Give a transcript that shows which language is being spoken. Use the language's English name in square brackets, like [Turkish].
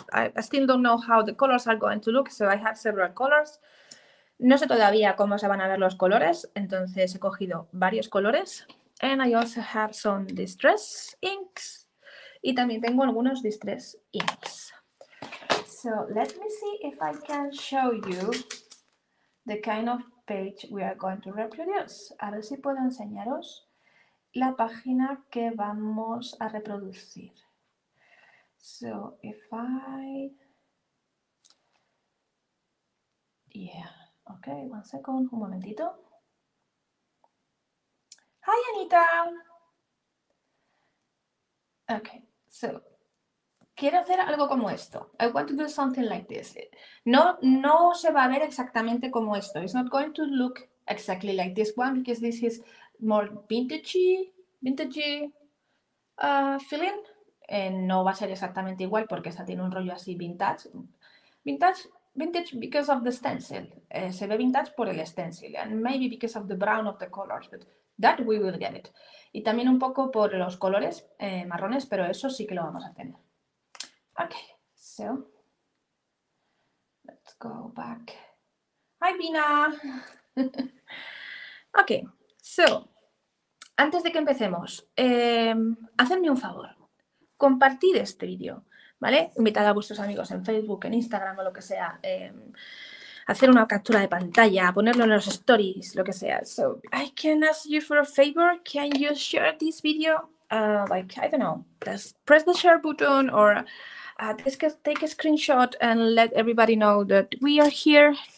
[English] I still don't know how the colors are going to look, so I have several colors. [Spanish] No sé todavía cómo se van a ver los colores, entonces he cogido varios colores. [English] And I also have some distress inks. [Spanish] Y también tengo algunos distress inks. [English] So let me see if I can show you the kind of page we are going to reproduce. [Spanish] A ver si puedo enseñaros la página que vamos a reproducir. [English] So if I... Yeah. Okay, one second, [Spanish] un momentito. [English] Hi, Anita. [Spanish] Okay, so quiero hacer algo como esto. [English] I want to do something like this. [Spanish] No se va a ver exactamente como esto. [English] It's not going to look exactly like this one because this is more vintagey feeling. [Spanish] And no va a ser exactamente igual porque esta tiene un rollo así vintage. [English] Vintage because of the stencil. [Spanish] Se ve vintage por el stencil. [English] And maybe because of the brown of the colors. But that we will get it. [Spanish] Y también un poco por los colores marrones, pero eso sí que lo vamos a tener. [English] Okay, so. Let's go back. Hi, Bina. Okay, so. [Spanish] Antes de que empecemos, hacedme un favor. Compartid este vídeo. ¿Vale? Invitad a vuestros amigos en Facebook, en Instagram o lo que sea. Hacer una captura de pantalla, ponerlo en los stories, lo que sea. [English] So, I can ask you for a favor. Can you share this video? I don't know. Just press the share button or take a screenshot and let everybody know that we are here.